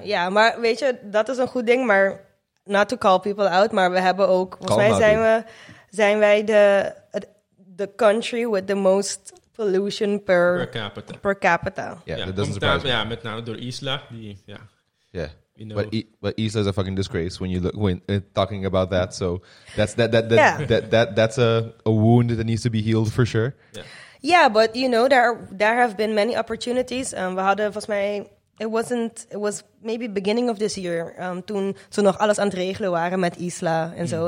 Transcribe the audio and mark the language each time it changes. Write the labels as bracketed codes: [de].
[nl] Maar weet je, dat is een goed ding, maar [en] not to call people out, [nl] maar we hebben ook, zijn wij [en] the country with the most pollution per capita. Yeah, that doesn't surprise me. [nl] Yeah, met name door Isla. [en] But Isla is a fucking disgrace when talking about that. So that's a wound that needs to be healed for sure. Yeah, but there have been many opportunities. [nl] We hadden volgens mij, [en] it was maybe beginning of this year, [nl] toen ze nog alles aan het regelen waren met Isla en zo.